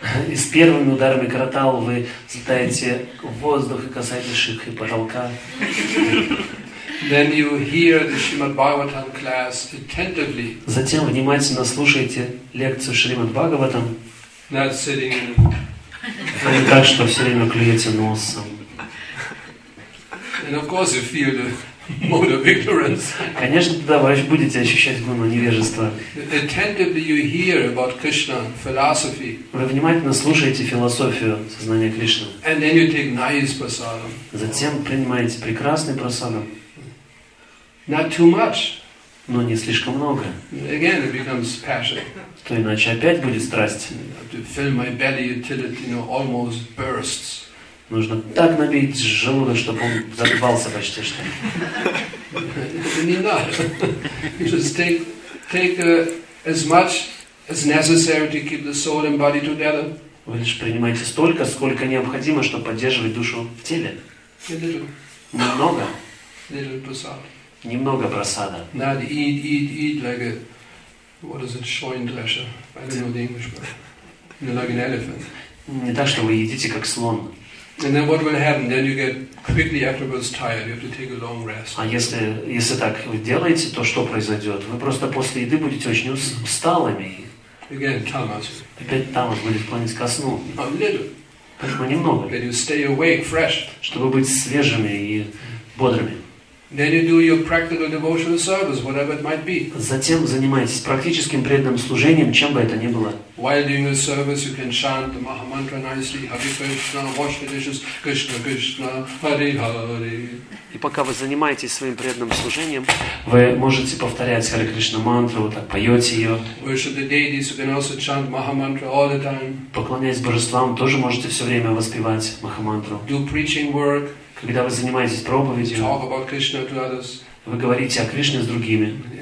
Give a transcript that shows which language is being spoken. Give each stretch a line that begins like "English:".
Russian: И с первыми ударами каратал вы взлетаете в воздух и касаетесь шикхи потолка.
English: Then you hear the Shrimad Bhagavatam class attentively.
Russian: Затем внимательно слушаете лекцию Шримад Бхагаватам.
English: Not sitting.
Russian: А не так, что все время клюете носом.
English: And of course you feel the mode of ignorance.
Russian: Конечно, тогда вы будете ощущать гуну невежества.
English: Attentively you hear about Krishna philosophy.
Russian: Вы внимательно слушаете философию сознания Кришны.
English: And then you take nice prasadam.
Russian: Затем принимаете прекрасный прасадам.
English: Not too much.
Russian: Но не слишком много.
English: Again it becomes passion.
Russian: То иначе опять будет страсть.
English: To fill my belly until it, you know, almost bursts.
Russian: Нужно так набить желудок, чтобы он забивался почти что. Не надо.
English: Just take as much as necessary to keep the soul and body together.
Russian: Вы лишь принимаете столько, сколько необходимо, чтобы поддерживать душу в теле. Немного. Немного просада.
English: Not eat like a, what is it, Schweindrescher? I don't know the English word. Like an elephant.
Russian: Не так, что вы едите как слон.
English: And then what will happen? Then you get quickly afterwards tired. You have to take a long rest.
Russian: А если так вы делаете, то что произойдет? Вы просто после еды будете очень усталыми.
English: Again, tamas.
Russian: Опять тамас будет клонить ко сну.
English: A little.
Russian: Поэтому немного.
English: Then you stay awake, fresh.
Russian: Чтобы быть свежими и бодрыми.
English: Then you do your practical devotional service, whatever it might be.
Russian: Затем занимайтесь практическим преданным служением, чем бы это ни было.
English: While doing the service, you can chant the Maha Mantra nicely, Hare Krishna, wash the dishes, Krishna, Krishna, Hare Hare.
Russian: И пока вы занимаетесь своим преданным служением, вы можете повторять Hare Krishna мантру, вот так поете ее.
English: Worship the deities, you can also chant Maha Mantra all the time.
Russian: Поклоняясь божествам, тоже можете все время воспевать Маха мантру.
English: Do preaching work.
Russian: Когда вы занимаетесь проповедью, вы говорите о Кришне с другими.